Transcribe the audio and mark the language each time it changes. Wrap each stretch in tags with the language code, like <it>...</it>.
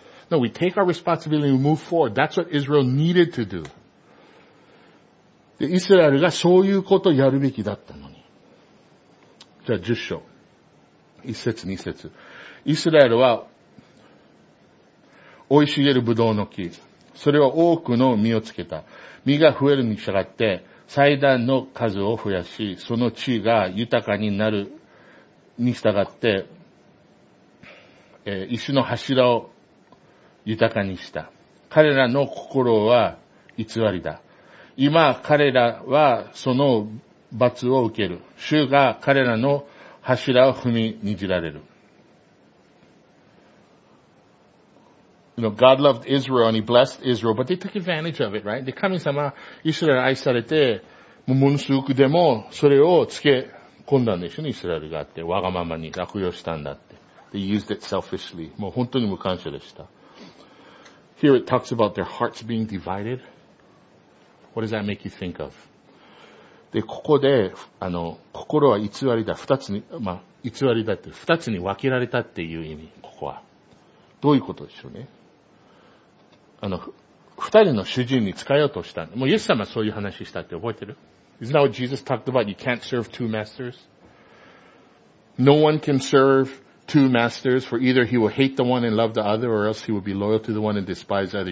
<en>No, we take our responsibility and we move forward. That's what Israel needed to do.</en> <ja>で、イスラエルがそういうことをやるべきだったのに。じゃあ、10章。一節、二節。イスラエルは、生い茂るブドウの木。それは多くの実をつけた。実が増えるに従って、祭壇の数を増やし、その地が豊かになるに従って、石の柱を豊かにした。彼らの心は偽りだ。今彼らはその罰を受ける。主が彼らの柱を踏みにじられる。</ja> <en>You know, God loved Israel and he blessed Israel, but they took advantage of it, right?</en> <ja>で、神様、イスラエル愛されて、ものすごくでも、それをつけ込んだんでしょ、イスラエルがあって。わがままに悪用したんだって。</ja> <en>They used it selfishly.</en> <ja>もう本当に無感謝でした。</ja> <en>Here it talks about their hearts being divided. What does that make you think of?</en> <ja>で、ここで、心は偽りだ。二つに、まあ、偽りだって、二つに分けられたっていう意味、ここは。どういうことでしょうね。二人の主人に仕えようとした。もうイエス様はそういう話したって覚えてる？</ja> <en>Isn't that what Jesus talked about? You can't serve two masters. No one can serve two masters, for either he will hate the one and love the other, or else he will be loyal to the one and despise the other.</en>